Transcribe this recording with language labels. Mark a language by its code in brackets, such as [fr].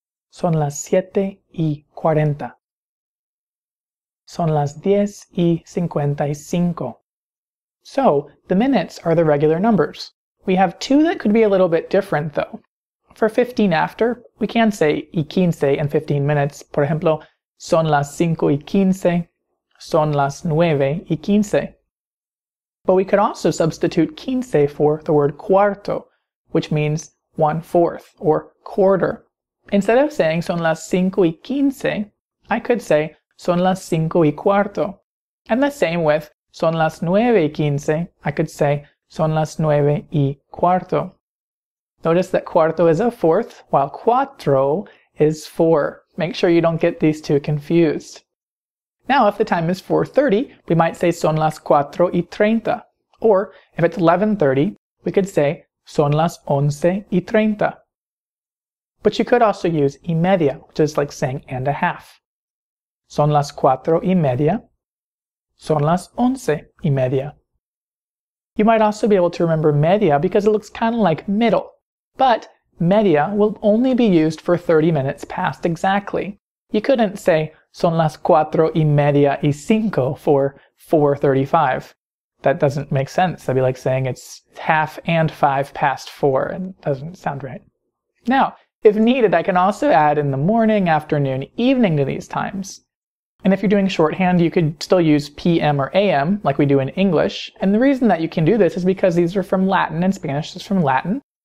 [es] Son las siete y 40. Son las diez y 55. [en] So, the minutes are the regular numbers. We have two that could be a little bit different, though. For 15 after, we can say [es] y quince [en] and 15 minutes. [es] Por ejemplo, son las cinco y quince, son las nueve y quince. [en] But we could also substitute quince for the word cuarto, which means 1/4 or quarter. Instead of saying [es] son las cinco y quince, [en] I could say [es] son las cinco y cuarto. [en] And the same with [es] son las nueve y quince, [en] I could say [es] son las nueve y cuarto. [en] Notice that cuarto is a fourth, while cuatro is four. Make sure you don't get these two confused. Now, if the time is 4:30, we might say [es] son las cuatro y treinta. [en] Or, if it's 11:30, we could say [es] son las once y treinta. [en] But you could also use [es] y media, [en] which is like saying and a half. [es] Son las cuatro y media. Son las once y media. [en] You might also be able to remember media because it looks kind of like middle. But media will only be used for 30 minutes past exactly. You couldn't say [es] son las cuatro y media y cinco [en] for 4:35. That doesn't make sense. That'd be like saying it's half and five past four and doesn't sound right. Now, if needed, I can also add in the morning, afternoon, evening to these times. And if you're doing shorthand, you could still use PM or AM, like we do in English. And the reason that you can do this is because these are from Latin, and Spanish is from Latin.